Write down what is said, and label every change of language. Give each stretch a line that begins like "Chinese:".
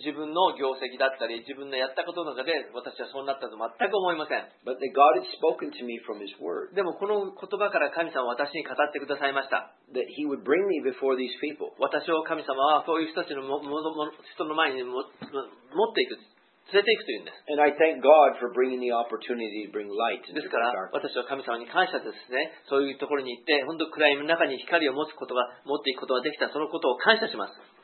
Japanese: 自分の業績だったり、自分のやったことの中で私はそうなったと全く思いません。
English: But that God had spoken to me from His word.
Japanese: でもこの言葉から神様は私に語ってくださいました。
English: That He would bring me before these people.
Japanese: 私を神様はそういう人たちの人の前に持っていく、連れていくというんです。
English: And I thank God for bringing the opportunity to bring light.
Japanese: ですから私は神様に感謝ですね。そういうところに行って本当暗闇の中に光を持つことが持っていくことができた、そのことを感謝します。